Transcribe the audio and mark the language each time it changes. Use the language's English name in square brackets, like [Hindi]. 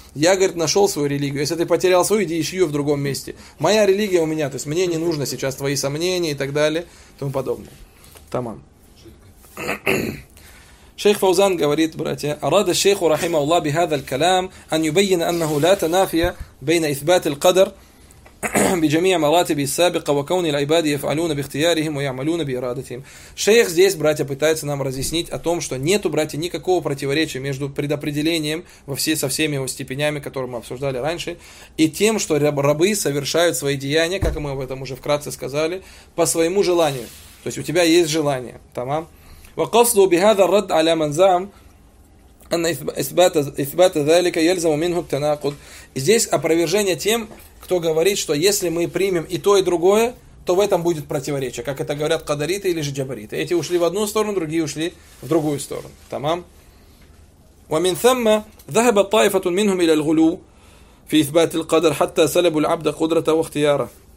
[Russian] Я, говорит, нашел свою религию. Если ты потерял свою, иди ищи ее в другом месте. Моя религия у меня, то есть, мне не нужно сейчас твои сомнения и так далее, и тому подобное. Тамам. Шейх Фаузан говорит, братья, [Arabic] арада шейху рахима Аллах бихадаль калам ан юбайина аннаху ла танафия бейна итбат аль-кадр بجميع مراتب السابقة وكون العباد يفعلون باختيارهم ويعملون بإرادتهم. [Russian] Шейх здесь, братья, пытается нам разъяснить о том, что нету, братья, никакого противоречия между предопределением во все, со всеми его степенями, которые мы обсуждали раньше, и тем, что рабы совершают свои деяния, как мы об этом уже вкратце сказали, по своему желанию. То есть у тебя есть желание. Тамам. [Arabic] وقصده بهذا الرد على من زعم أن إثبات ذلك يلزم منه التناقض. [Russian] Здесь опровержение тем, кто говорит, что если мы примем и то, и другое, то в этом будет противоречие, как это говорят кадариты или же джабариты. Эти ушли в одну сторону, другие ушли в другую сторону. Тамам. [Arabic] ومن ثم ذهب طائفة منهم إلى الغلو في إثبات القدر حتى سلبوا العبد قدرته واختياره.